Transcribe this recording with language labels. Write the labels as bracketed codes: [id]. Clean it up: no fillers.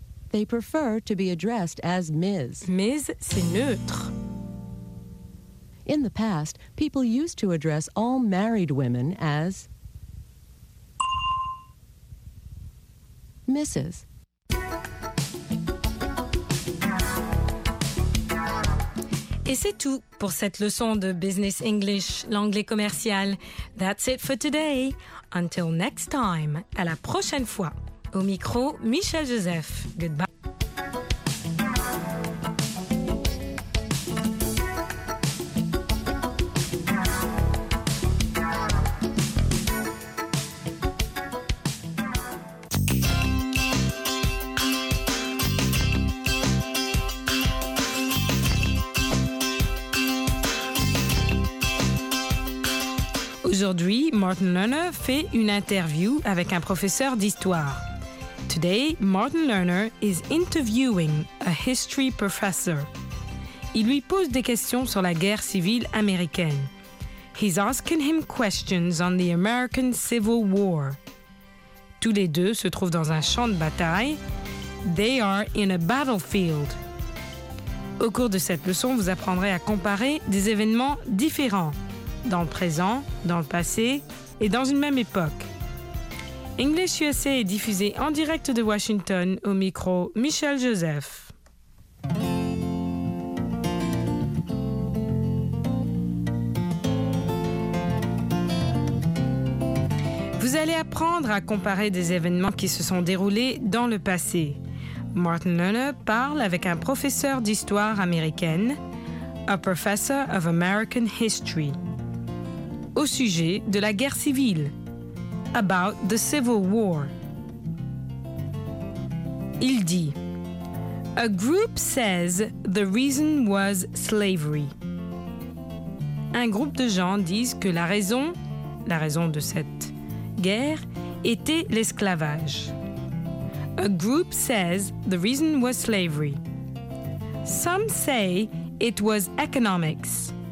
[en] They prefer to be addressed as Ms. [fr] Ms, c'est neutre. [en] In the past, people used to address all married women as Mrs. [fr] Et c'est tout pour cette leçon de Business English, l'anglais commercial. [en] That's it for today. Until next time, [fr] à la prochaine fois. Au micro, Michel Joseph. [en] Goodbye. [fr] Aujourd'hui, Martin Lerner fait une interview avec un professeur d'histoire. [en] Today, Martin Lerner is interviewing a history professor. [fr] Il lui pose des questions sur la guerre civile américaine. [en] He's asking him questions on the American Civil War. [fr] Tous les deux se trouvent dans un champ de bataille. [en] They are in a battlefield. [fr] Au cours de cette leçon, vous apprendrez à comparer des événements différents. Dans le présent, dans le passé et dans une même époque. English USA est diffusé en direct de Washington au micro Michel Joseph. Vous allez apprendre à comparer des événements qui se sont déroulés dans le passé. Martin Lerner parle avec un professeur d'histoire américaine, [en] a professor of American history. [fr] Au sujet de la guerre civile. [en] About the Civil War. [fr] Il dit, [en] a group says the reason was slavery. [fr] Un groupe de gens disent que la raison de cette guerre était l'esclavage. [en] A group says the reason was slavery. Some say it was economics.